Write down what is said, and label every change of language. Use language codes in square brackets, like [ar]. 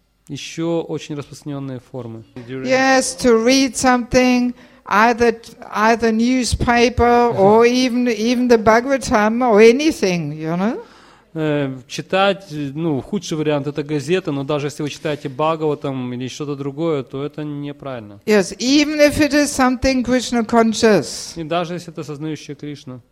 [ru] Еще очень распространенные формы. [en] Yes, to read something, either newspaper or even the Bhagavatam or anything, you know. [ru] Читать, ну, худший вариант это газета, но даже если вы читаете Бхагаватам или что-то другое, то это неправильно. [en] Yes, even if it is something Krishna conscious. [ru] И даже если это сознающая Кришна.